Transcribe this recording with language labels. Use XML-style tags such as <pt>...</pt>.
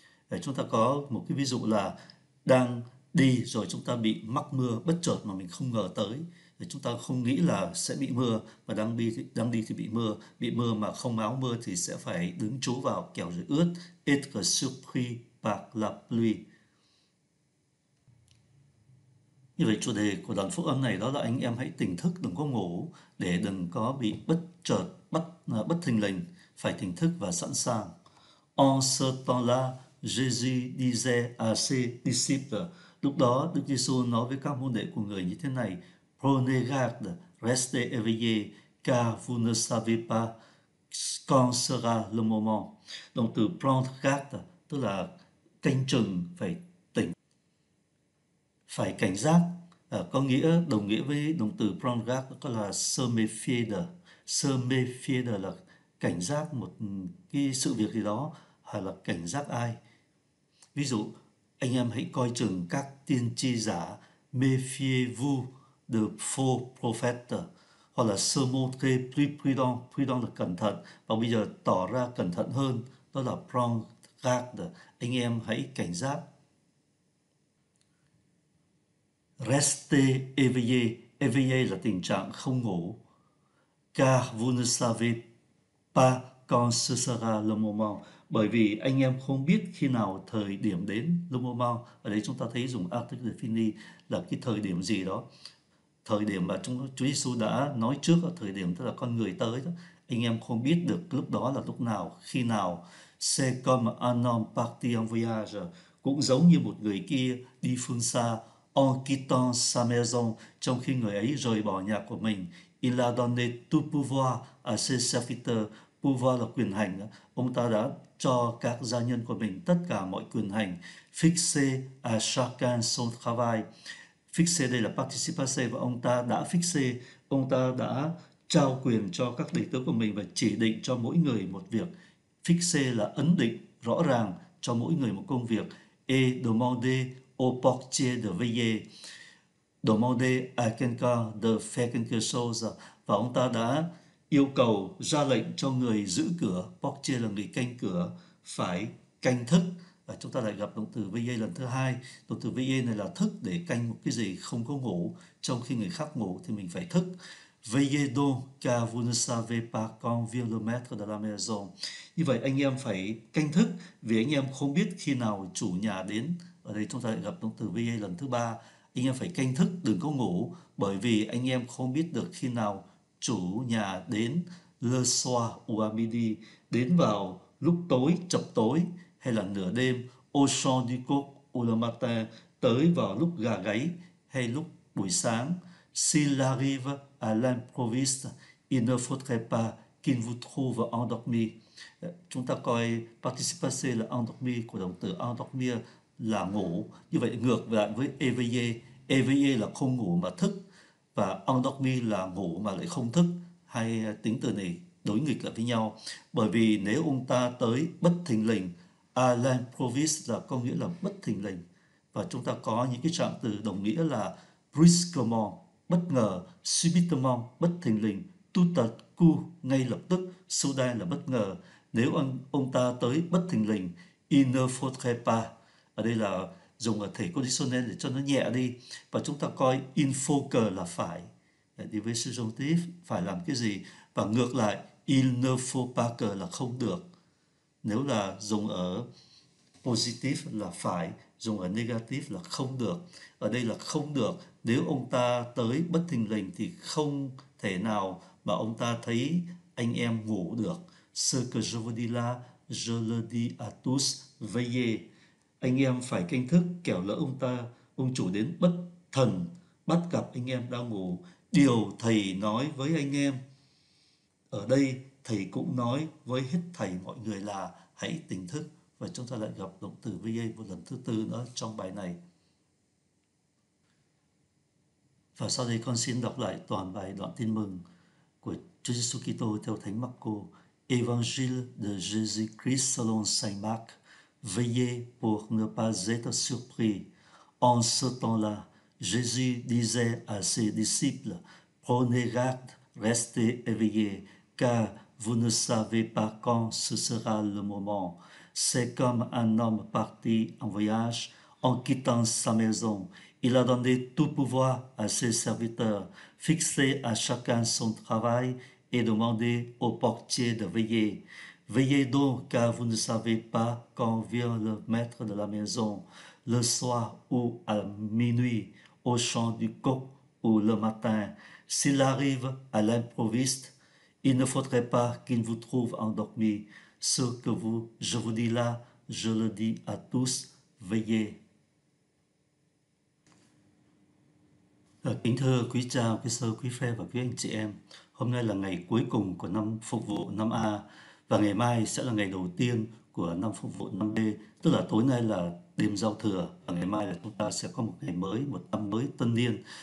<vi>Để chúng ta có một cái ví dụ là đang đi rồi chúng ta bị mắc mưa bất chợt mà mình không ngờ tới, để chúng ta không nghĩ là sẽ bị mưa, mà đang đi thì bị mưa mà không áo mưa thì sẽ phải đứng trú vào kẻo rồi ướt,</vi> <fr>être surpris par la pluie.</fr> <vi>Như vậy chủ đề của đoạn phúc âm này đó là anh em hãy tỉnh thức, đừng có ngủ, để đừng có bị bất chợt, bất thình lình, phải tỉnh thức và sẵn sàng.</vi> <fr>En ce temps-là, Jésus disait à ses disciples.</fr> <vi>Lúc đó, Đức Giêsu nói với các môn đệ của người như thế này.</vi> <fr>Prenez garde, restez éveillés, car vous ne savez pas quand sera le moment.</fr> <vi>Động từ prendre garde, tức là canh chừng, phải cảnh giác, có nghĩa đồng nghĩa với động từ prendre garde có là se méfier de. Se méfier de là cảnh giác một cái sự việc gì đó hay là cảnh giác ai. Ví dụ, anh em hãy coi chừng các tiên tri giả,</vi> <fr>méfiez-vous de faux prophètes,</fr> <vi>hoặc là</vi> <fr>se montrer plus prudent,</fr> <vi>prudent là cẩn thận, và bây giờ tỏ ra cẩn thận hơn, đó là prendre garde, anh em hãy cảnh giác.</vi> <fr>Restez éveillé.</fr> <vi>Éveillé là tình trạng không ngủ.</vi> <fr>Car vous ne savez pas quand ce sera le moment.</fr> <vi>Bởi vì anh em không biết khi nào thời điểm đến, le moment. Ở đây chúng ta thấy dùng article defini là cái thời điểm gì đó. Thời điểm mà Chúa Giêsu đã nói trước, thời điểm tức là con người tới đó. Anh em không biết được lúc đó là lúc nào, khi nào.</vi> <fr>C'est comme un homme parti en voyage.</fr> <vi>Cũng giống như một người kia đi phương xa.</vi> <fr>En quittant sa maison,</fr> <vi>trong khi người ấy rời bỏ nhà của mình,</vi> <fr>il a donné tout pouvoir à ses serviteurs.</fr> <vi>Pouvoir là quyền hành. Ông ta đã cho các gia nhân của mình tất cả mọi quyền hành.</vi> <fr>Fixé à chacun son travail.</fr> <vi>Fixé đây là participe, và ông ta đã fixé, ông ta đã trao quyền cho các đệ tử của mình và chỉ định cho mỗi người một việc. Fixé là ấn định rõ ràng cho mỗi người một công việc.</vi> <fr>Et demandé au portier de veiller, demander à quelqu'un de faire quelque chose.</fr> <vi>Và ông ta đã yêu cầu, ra lệnh cho người giữ cửa, portier là người canh cửa, phải canh thức, Chúng ta lại gặp động từ vi-ê lần thứ hai. Động từ vi-ê này là thức để canh một cái gì không có ngủ. Trong khi người khác ngủ thì mình phải thức.</vi> <fr>Veillez donc car vous ne savez pas quand vient le maître de la maison.</fr> <vi>Như vậy anh em phải canh thức vì anh em không biết khi nào chủ nhà đến. Ở đây chúng ta lại gặp động từ vi-ê lần thứ ba. Anh em phải canh thức, đừng có ngủ bởi vì anh em không biết được khi nào chủ nhà đến.</vi> <fr>Le soir ou à midi,</fr> <vi>đến vào lúc tối, chập tối hay là nửa đêm.</vi> <fr>Au chant du coq ou le matin,</fr> <vi>tới vào lúc gà gáy hay lúc buổi sáng.</vi> <fr>S'il arrive à l'improviste, il ne faudrait pas qu'il vous trouve endormi.</fr> <vi>Chúng ta coi participe passé là endormi, của động từ endormir là ngủ. Như vậy ngược lại với éveillé, éveillé là không ngủ mà thức, và endormi là ngủ mà lại không thức. Hai tính từ này đối nghịch lại với nhau. Bởi vì nếu ông ta tới bất thình lình, à l'improviste là có nghĩa là bất thình lình, và chúng ta có những cái trạng từ đồng nghĩa là brusquement, bất ngờ, subitement, bất thình lình, tout à coup, ngay lập tức, soudain là bất ngờ. Nếu ông ta tới bất thình lình,</vi> <fr>il ne faudrait pas,</fr> <vi>ở đây là dùng ở thể conditionnel để cho nó nhẹ đi, và chúng ta coi il faut que là phải, đi với subjonctif, phải làm cái gì, và ngược lại,</vi> <fr>il ne faut pas que</fr> <vi>là không được. Nếu là dùng ở positive là phải, dùng ở negative là không được. Ở đây là không được. Nếu ông ta tới bất thình lình thì không thể nào mà ông ta thấy anh em ngủ được.</vi> <fr>Ce que je vous dis là, je le dis à tous, veillez.</fr> <vi>Anh em phải canh thức, kẻo lỡ ông chủ đến bất thần, bắt gặp anh em đang ngủ. Điều thầy nói với anh em, ở đây thầy cũng nói với hết thầy mọi người là hãy tỉnh thức. Và chúng ta lại gặp động từ VA một lần thứ tư nữa trong bài này. Và sau đây con xin đọc lại toàn bài đoạn tin mừng của Chúa Giêsu Kitô theo Thánh Marco.</vi> <fr>Évangile de Jésus Christ selon Saint Marc. Veillez pour ne pas être surpris. En ce temps-là, Jésus disait à ses disciples: Prenez garde, restez éveillés, car vous ne savez pas quand ce sera le moment. C'est comme un homme parti en voyage en quittant sa maison. Il a donné tout pouvoir à ses serviteurs, fixé à chacun son travail et demandé au portier de veiller. Veillez donc, car vous ne savez pas quand vient le maître de la maison, le soir ou à minuit, au chant du coq ou le matin. S'il arrive à l'improviste, il ne faudrait pas qu'il vous trouve endormi. Ce que vous, je vous dis là, je le dis à tous, veillez.</fr> <vi>Kính thưa quý cha, quý sơ, quý phê và quý anh chị em, hôm nay là ngày cuối cùng của năm phục vụ năm A, và ngày mai sẽ là ngày đầu tiên của năm phục vụ năm B, tức là tối nay là đêm giao thừa, và ngày mai là chúng ta sẽ có một ngày mới, một năm mới tân niên.</vi>